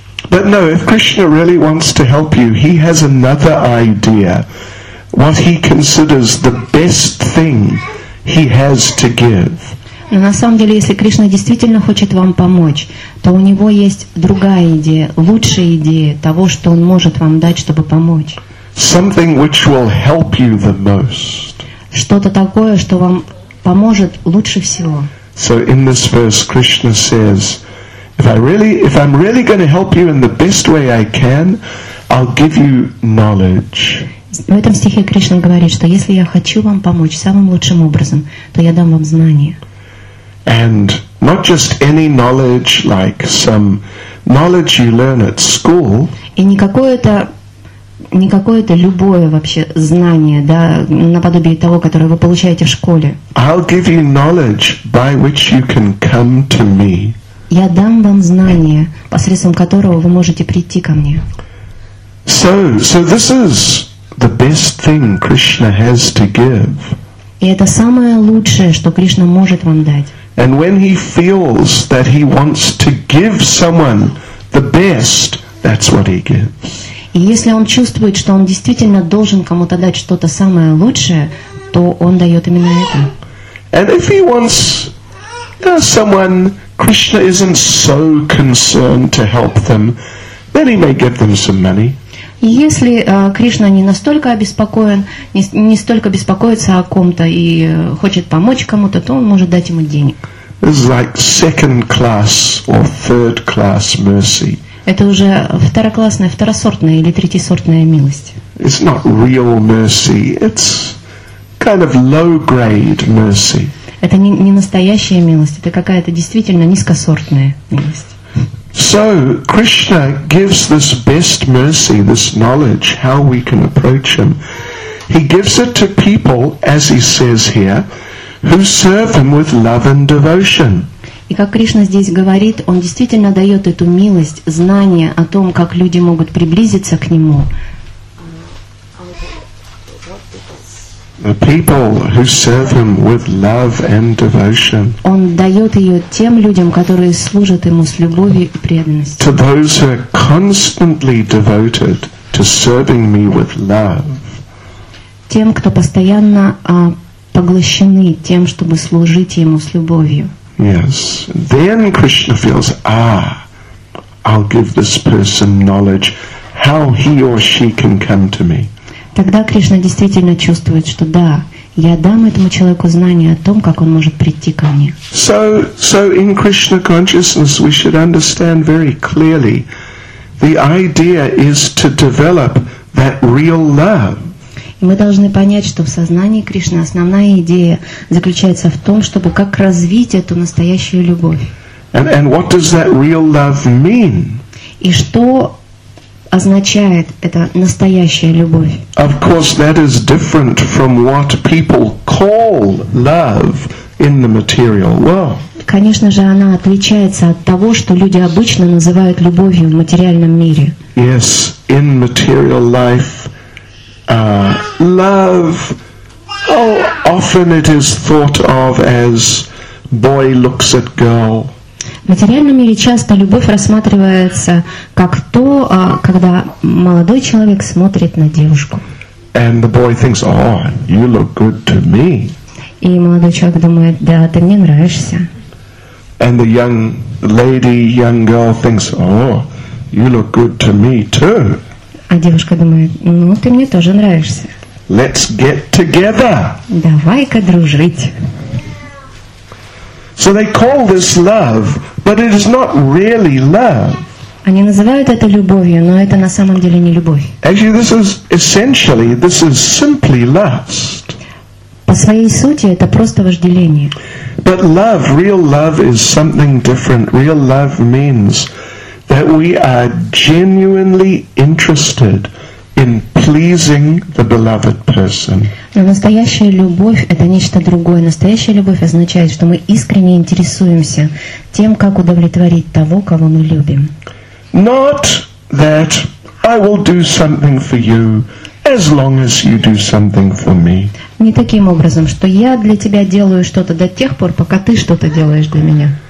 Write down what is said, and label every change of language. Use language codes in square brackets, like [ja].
[en] But no, if Krishna really wants to help you, he has another idea. What he considers the best thing he has to give. [ru] Но на самом деле, если Кришна действительно хочет вам помочь, то у него есть другая идея, лучшая идея того, что он может вам дать, чтобы помочь. [en] Something which will help you the most. [ru] Что-то такое, что вам поможет лучше всего. [en] So in this verse, Krishna says, if I'm really going to help you in the best way I can, I'll give you knowledge. [ru] В этом стихе Кришна говорит, что если я хочу вам помочь самым лучшим образом, то я дам вам знания. [en] And not just any knowledge, like some knowledge you learn at school. [ru] И не какое-то любое вообще знание, да, наподобие того, которое вы получаете в школе. [en] I'll give you knowledge by which you can come to me. [ru] Я дам вам знания, посредством которого вы можете прийти ко мне. [en] So this is the best thing Krishna has to give. [ru] И это самое лучшее, что Кришна может вам дать. [en] And when he feels that he wants to give someone the best, that's what he gives. [ru] И если он чувствует, что он действительно должен кому-то дать что-то самое лучшее, то он дает именно это. [en] And if he wants someone, Krishna isn't so concerned to help them, then he may give them some money. [ru] Если Кришна не настолько обеспокоен, не столько беспокоится о ком-то и хочет помочь кому-то, то он может дать ему денег. [en] It's like second class or third class mercy. [ru] Это уже второклассная, второсортная или третьесортная милость. [en] It's not real mercy. It's kind of low-grade mercy. [ru] Это не настоящая милость, это какая-то действительно низкосортная милость. [en] So Krishna gives this best mercy, this knowledge, how we can approach Him. He gives it to people, as He says here, who serve Him with love and devotion. [ru] И как Кришна здесь говорит, Он действительно дает эту милость, знание о том, как люди могут приблизиться к Нему. [en] The people who serve Him with love and devotion. [ru] Он дает ее тем людям, которые служат Ему с любовью и преданностью. [en] To those who are constantly devoted to serving Me with love. [ru] Тем, кто постоянно поглощены тем, чтобы служить Ему с любовью. [en] Yes. Then Krishna feels, I'll give this person knowledge, how he or she can come to Me. [ru] Тогда Кришна действительно чувствует, что да, я дам этому человеку знание о том, как он может прийти ко мне. [en] So in Krishna consciousness we should understand very clearly, the idea is to develop that real love. [ru] И мы должны понять, что в сознании Кришны основная идея заключается в том, чтобы как развить эту настоящую любовь. [en] And what does that real love mean? [ru] И что означает это настоящая любовь? [en] Of course, that is different from what people call love in the material world. [ru] Конечно же, она отличается от того, что люди обычно называют любовью в материальном мире. [en] Yes, in material life, love. Oh, often it is thought of as boy looks at girl. [ru] В материальном мире часто любовь рассматривается как то, когда молодой человек смотрит на девушку. [en] And the boy thinks, oh, you look good to me. [ru] И молодой человек думает, да, ты мне нравишься. [en] And the young lady, young girl thinks, oh, you look good to me too. [ru] А девушка думает, ну, ты мне тоже нравишься. [en] Let's get together. [ru] Давай-ка дружить. [en] So they call this love, but it is not really love. [ru] Они называют это любовью, но это на самом деле не любовь. [en] Actually, this is essentially, this is simply lust. [ru] По своей сути, это просто вожделение. [en] But love, real love is something different. Real love means that we are genuinely interested in pleasing the beloved person. [ru] Но настоящая любовь — это нечто другое. Настоящая любовь означает, что мы искренне интересуемся тем, как удовлетворить того, кого мы любим. [en] Not that I will do something for you as long as you do something for me. [ru] Не таким образом, что я для тебя делаю что-то до тех пор, пока ты что-то делаешь для меня.